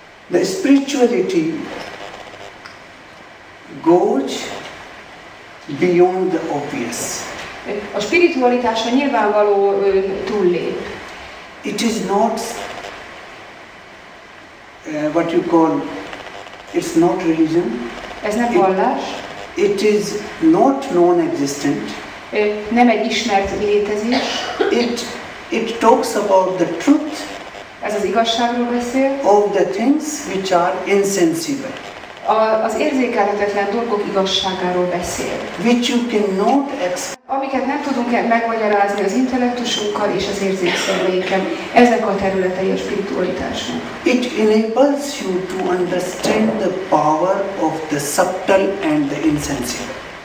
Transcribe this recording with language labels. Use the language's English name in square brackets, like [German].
[English] The spirituality goes beyond the obvious. [Hungarian] A spiritualitás a nyilvánvaló túllép. [English] It is not what you call, it's not religion. [Hungarian] Ez nem vallás. [English] It is not non-existent. [Hungarian] Nem egy ismert létezés. [English] It talks about the truth. [Hungarian] Ez az igazságról beszél. [English] Of the things which are insensible. [Hungarian] Az érzékelhetetlen dolgok igazságáról beszél. [English] Which you cannot accept. [Hungarian] Amiket nem tudunk megmagyarázni az intellektusunkkal és az érzékszerveinkkel. Ezek a területei a spiritualitásnak. [English] It enables you to understand the power of the subtle and the insensible.